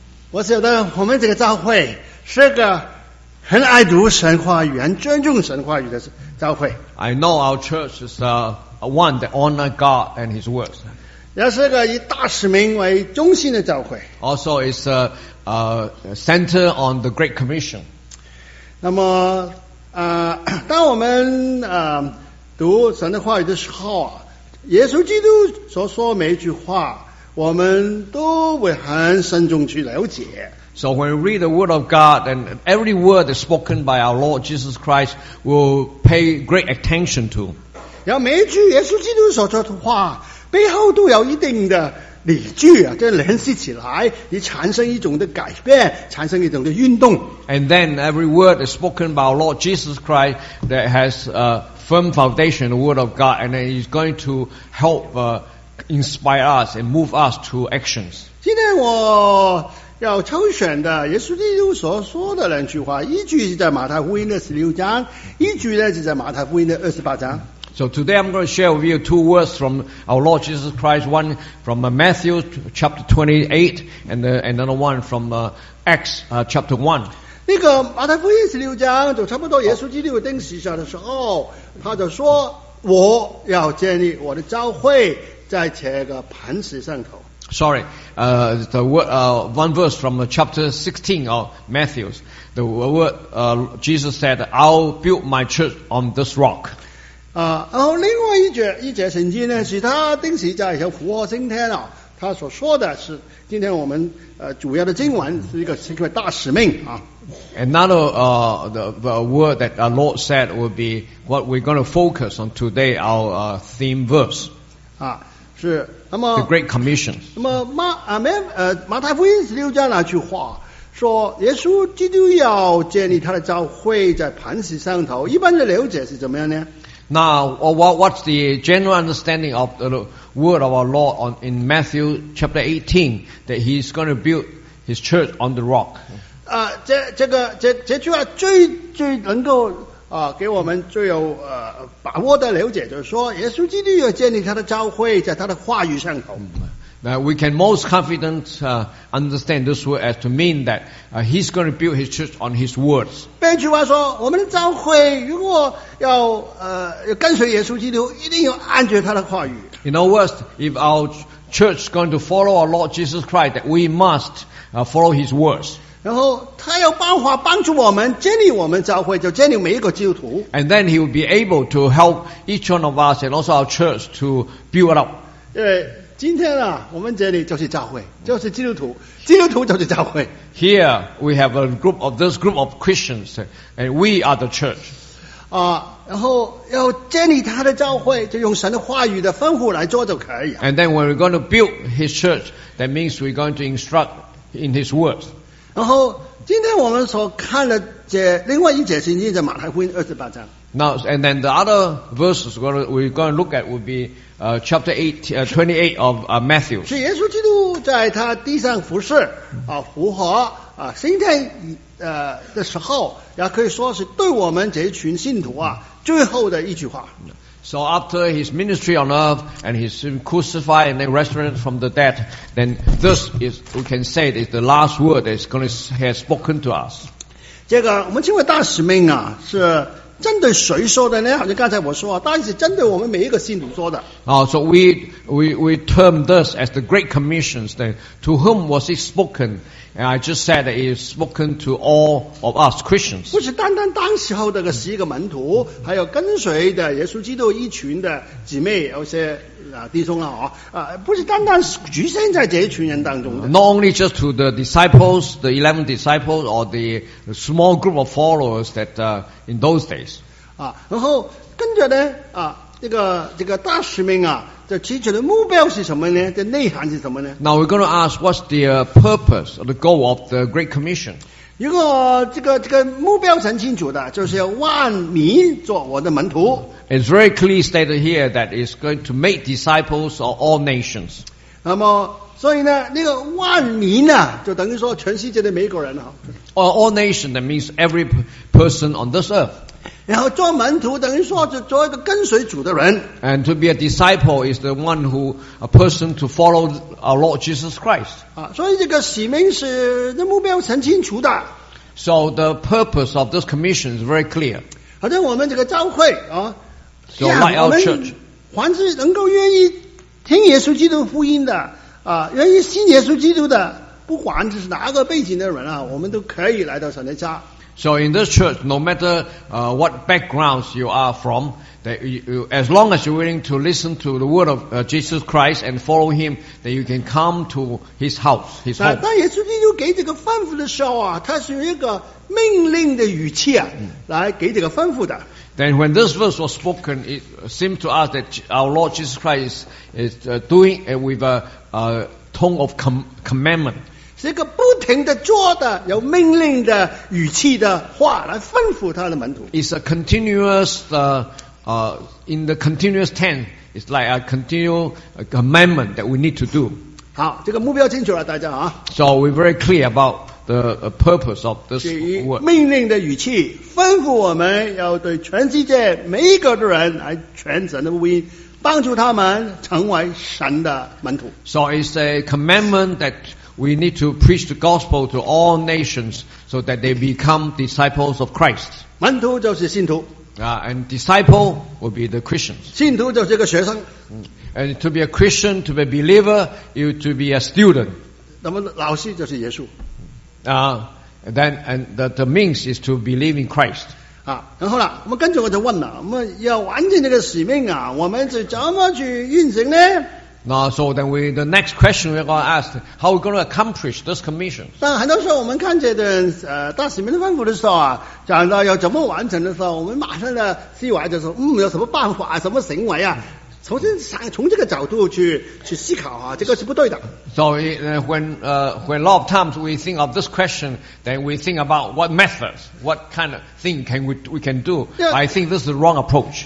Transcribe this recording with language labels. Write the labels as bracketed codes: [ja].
[zh] 我晓得我们这个教会是个很爱读神话语、很尊重神话语的教会。 [en] I know our church is one that honors God and His words。 [zh] 也是个以大使命为中心的教会。 [en] Also, it's a center on the Great Commission。 [zh] 那么，当我们读神的话语的时候啊，耶稣基督所说每一句话，我们都会很慎重去了解。 [en] So when we read the Word of God, and every word is spoken by our Lord Jesus Christ, we'll pay great attention to. [zh] 然后每一句耶稣基督所说的话，背后都有一定的理据啊，这联系起来，你产生一种的改变，产生一种的运动。 [en] And then every word is spoken by our Lord Jesus Christ that has a firm foundation, the Word of God, and then it's going to help inspire us and move us to actions. [zh] 今天我要抽选的耶稣基督所说的两句话，一句是在马太福音的16章，一句呢是在马太福音的28章。 [en] So today I'm going to share with you two words from our Lord Jesus Christ, one from Matthew chapter 28 and another one from Acts chapter 1. [zh] 那个马太福音16章就差不多耶稣基督钉十字架的时候，他就说我要建立我的教会在这个磐石上头。 [en] Sorry, one verse from chapter 16 of Matthew. The word Jesus said, I'll build my church on this rock. [zh] 然后另外一节圣经呢，是他钉十字架以后复活升天了。他所说的是，今天我们主要的经文是一个大使命啊。 [en] Another the word that our Lord said will be what we're going to focus on today. Our theme verse 啊，是那么 the Great Commission. [zh] 那么马太福音16章那句话。说耶稣基督要建立他的教会在磐石上头，一般的了解是怎么样呢？ [en] 那 what's the general understanding of the word of our Lord in Matthew chapter 18 that he's going to build his church on the rock? [zh] 这句话最能够给我们最有把握的了解，就是说耶稣基督要建立他的教会在他的话语上头。 [en] Now we can most confident understand this word as to mean that he's going to build his church on his words. [zh] 换句话说，我们的教会如果要跟随耶稣基督，一定要按着他的话语。 [en] In other words, if our church is going to follow our Lord Jesus Christ, that we must follow his words. [zh] 然后他有办法帮助我们建立我们教会，就建立每一个基督徒。 [en] And then he will be able to help each one of us and also our church to build it up. [zh] 今天啊，我们这里就是教会，就是基督徒，基督徒就是教会。 [en] Here we have a group of this group of Christians, and we are the church. [zh] 啊，然后要建立他的教会，就用神的话语的吩咐来做就可以。 [en] And then when we're going to build his church, that means we're going to instruct in his words. [zh] 然后今天我们所看的这另外一节圣经在马太福音28章。 [en] Now and then the other verses we're going to look at will be. Chapter 28 of Matthew. [zh] 是耶稣基督在他地上服事复活升天的时候，也可以说是对我们这群信徒啊最后的一句话。 [en] So after his ministry on earth and his crucified and then resurrected from the dead, then this is we can say is the last word that is going to have spoken to us. [zh] 这个我们称为大使命啊，是。针对谁说的呢？好像刚才我说，但是针对我们每一个信徒说的。 [en] So we term this as the Great Commission. Then, to whom was it spoken? And I just said that it is spoken to all of us Christians. [zh] 不是单单当时候的个十一个门徒，还有跟随的耶稣基督一群的姊妹，有些弟兄了不是单单局限在这一群人当中的。 [en] Not only just to the disciples, the 11 disciples, or the small group of followers that in those days. [zh] 然后跟着呢这个大使命啊，这其实的目标是什么呢？这内涵是什么呢 [en] ？Now we're going to ask what's the purpose or the goal of the Great Commission. [zh] 如果这个目标很清楚的，就是要万民做我的门徒。 [en] It's very clearly stated here that it's going to make disciples of all nations. [zh] 那么，所以呢，那个万民呢，就等于说全世界的每一个人 [en] All nations that means every person on this earth. [zh] 然后做门徒等于说是做一个跟随主的人。 [en] And to be a disciple is the one who, a person to follow our Lord Jesus Christ. [zh] 所以这个使命是的目标是很清楚的。 [en] So the purpose of this commission is very clear. [zh] 好像我们这个教会啊 [en] ，So like our church, [zh] 凡是能够愿意听耶稣基督福音的啊，愿意信耶稣基督的，不管这是哪个背景的人啊，我们都可以来到神的家。 [en] So in this church, no matter what backgrounds you are from, that you, as long as you're willing to listen to the word of Jesus Christ and follow Him, that you can come to His house, His home. [zh] 当耶稣基督给这个吩咐的时候啊，他是用一个命令的语气啊，来给这个吩咐的。 [en] Then when this verse was spoken, it seemed to us that our Lord Jesus Christ is doing it with a tone of commandment. [zh] 是一个不停的做的有命令的语气的话来吩咐他的门徒。 [en] It's a continuous, in the continuous tense, it's like a continual commandment that we need to do. [zh] 好，这个目标清楚了，大家啊。 [en] So we're very clear about the purpose of this word. [zh] 命令的语气吩咐我们要对全世界每一个的人来全神的福音。帮助他们成为神的门徒。 [en] So it's a commandment that we need to preach the gospel to all nations so that they become disciples of Christ. [zh] 门徒就是信徒。 [en] And disciple will be the Christians. [zh] 信徒就是一个学生。 [en] And to be a Christian, to be a believer, you to be a student. [zh] 那么老师就是耶稣。 [en] Then, and the means is to believe in Christ. [zh] 然后呢，我们跟着我就问了，我们要完成这个使命啊，我们是怎么去运行呢？ [en] 那 so then we the next question we're going to ask, how we're going to accomplish this commission? [zh] 但很多时候我们看这段大使命的吩咐的时候啊，讲到要怎么完成的时候，我们马上的思维就是，有什么办法，什么行为啊？从这个角度去思考啊，这个是不对的。 [en] So when a lot of times we think of this question, then we think about what methods, what kind of thing can we do. Yeah, I think this is the wrong approach.